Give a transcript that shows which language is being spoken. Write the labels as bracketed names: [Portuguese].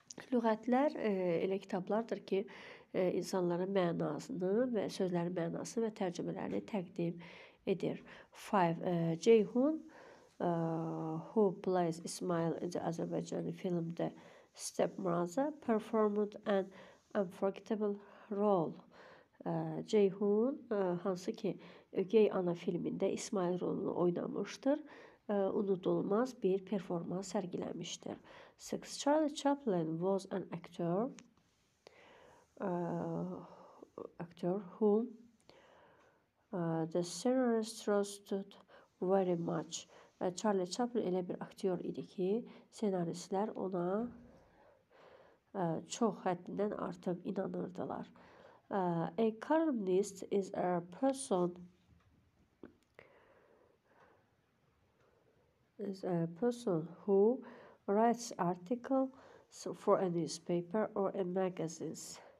[Azerbaijani] Lüğətlər elə kitablardır ki, insanların mənasını və sözlərin mənasını və tərcümələrini təqdim edir. 5. [English] Ceyhun, who plays Ismail in the Azerbaijani film The Stepmother, performed an unforgettable role. [Azerbaijani] Ceyhun, hansı ki Ögey Ana filmində İsmail rolunu oynamışdır, unutulmaz bir performans sərgiləmişdir. 6. [English] Charlie Chaplin was an actor, actor who the scenarist trusted very much. [Azerbaijani] Charlie Chaplin elə bir aktyor idi ki, senaristlər ona çox həddindən artıq inanırdılar. [English] A columnist is a person who writes articles for a newspaper or a magazine.